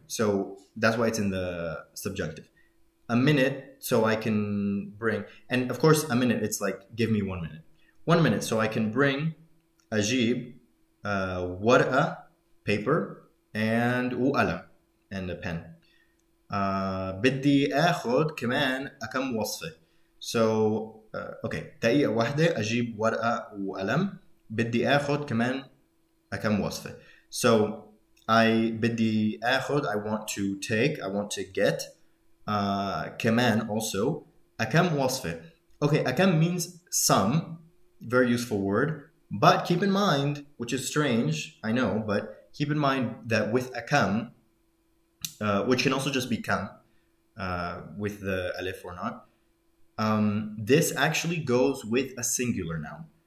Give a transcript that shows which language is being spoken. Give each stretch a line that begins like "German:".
English: So that's why it's in the subjunctive. A minute, so I can bring. And of course, a minute, it's like, give me 1 minute. 1 minute, so I can bring,
Arabic: أجيب, ورقة,
English: paper, and
Arabic: وقلم,
English: and a pen.
Arabic: بدي أخذ كمان أكم وصفة.
English: So, okay,
Arabic: دقيقة واحدة, أجيب ورقة وقلم. بدي أخذ كمان أكم وصفة.
English: So, I
Arabic: بدي أخذ,
English: I want to take, I want to get,
Arabic: كمان
English: also,
Arabic: أكم وصفة.
English: Okay, أكم means some, very useful word, but keep in mind, which is strange, I know, but keep in mind that with أكم, which can also just be كم, with the ألف or not, this actually goes with a singular noun.